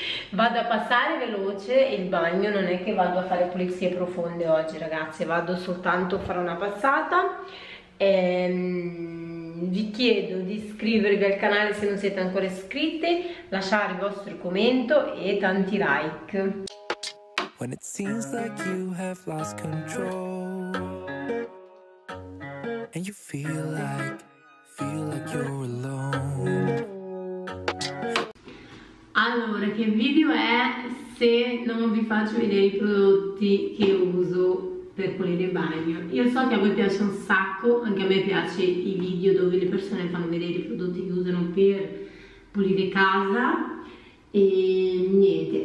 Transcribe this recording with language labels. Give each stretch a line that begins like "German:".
Italian: Vado a passare veloce il bagno, non è che vado a fare pulizie profonde oggi, ragazze, vado soltanto a fare una passata. Vi chiedo di iscrivervi al canale se non siete ancora iscritti, lasciare il vostro commento e tanti like.
English: When it seems like you have lost control and you feel like you're alone.
Italian: Allora, che video è se non vi faccio vedere i prodotti che uso per pulire il bagno? Io so che a voi piace un sacco, anche a me piace i video dove le persone fanno vedere i prodotti che usano per pulire casa e niente.